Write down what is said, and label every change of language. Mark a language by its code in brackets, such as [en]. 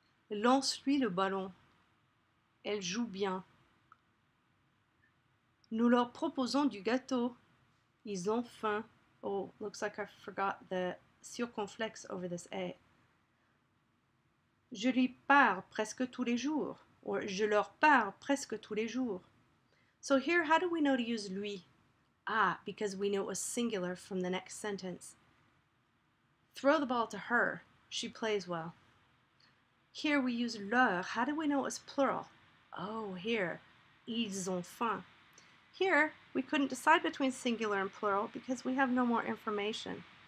[fr] Lance-lui le ballon. Elle joue bien. Nous leur proposons du gâteau. Ils ont faim. [en] Oh, looks like I forgot the circonflexe over this A. [fr] Je lui parle presque tous les jours. Or, je leur parle presque tous les jours. [en] So here, how do we know to use lui? Ah, because we know it was singular from the next sentence. Throw the ball to her. She plays well. Here we use leur. How do we know it was plural? Oh, here. [fr] Ils ont faim. [en] Here, we couldn't decide between singular and plural because we have no more information.